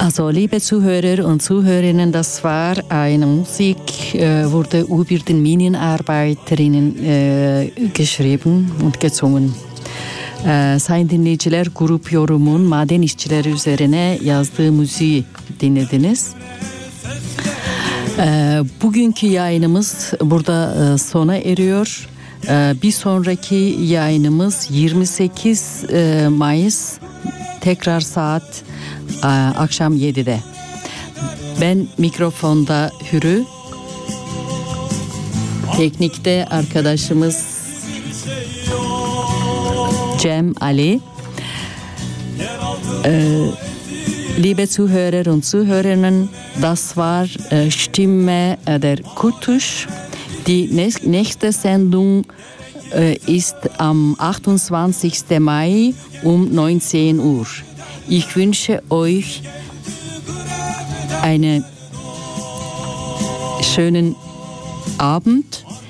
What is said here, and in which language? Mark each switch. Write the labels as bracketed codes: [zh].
[de] Liebe Zuhörer und Zuhörerinnen, das war eine Musik, wurde über den Minenarbeiterinnen geschrieben und gesungen. [tr] Sayın dinleyiciler, Grup Yorum'un Maden İşçiler üzerine yazdığı müziği dinlediniz. Bugünkü yayınımız burada sona eriyor. Bir sonraki yayınımız 28 Mayıs, tekrar saat akşam 7'de. Ben mikrofonda Hürü, teknikte arkadaşımız Cem Ali. [de] Liebe Zuhörer und Zuhörerinnen, das war Stimme der Kurtusch. Die nächste Sendung ist am 28. Mai um 19 Uhr. Ich wünsche euch einen schönen Abend.